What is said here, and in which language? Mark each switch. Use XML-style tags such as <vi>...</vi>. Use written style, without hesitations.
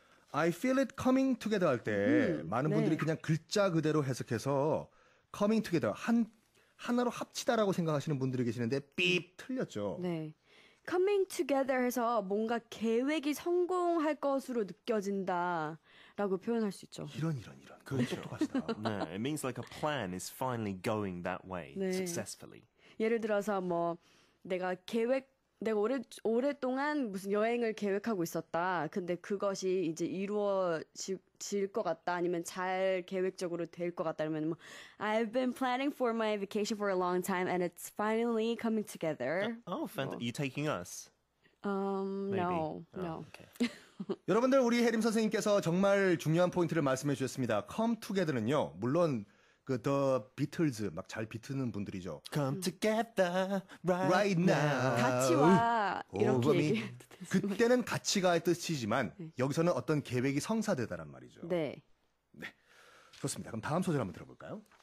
<en>I feel it coming together</en> <ko>할 때 많은 분들이 네. 그냥 글자 그대로 해석해서 coming together 하나로 합치다라고 생각하시는 분들이 계시는데 삐입 틀렸죠. 네. coming together 해서 뭔가 계획이 성공할 것으로 느껴진다라고 표현할 수 있죠. 이런 그렇죠. 똑똑하시다. 네.</ko> <en>It means like a plan is finally going that way 네. successfully.</en> <ko>예를 들어서 뭐 내가 오랫동안 무슨 여행을 계획하고 있었다. 근데 그것이 이제 이루어질 것 같다. 아니면 잘 계획적으로 될 것 같다. 그러면 뭐</ko> <en>I've been planning for my vacation for a long time and it's finally coming together. Oh, fantastic. You taking us? No. Okay.</en> <ko>여러분들 우리 해림 선생님께서 정말 중요한 포인트를 말씀해 주셨습니다. Come together는요. 물론 그 The Beatles 막 잘 비트는 분들이죠.</ko> <en>Come together right now.</en> <ko>같이 와. 이렇게 얘기해도 그때는 같이 가의 뜻이지만 네. 여기서는 어떤 계획이 성사되다란 말이죠. 네. 네. 좋습니다. 그럼 다음 소절 한번 들어볼까요?</ko>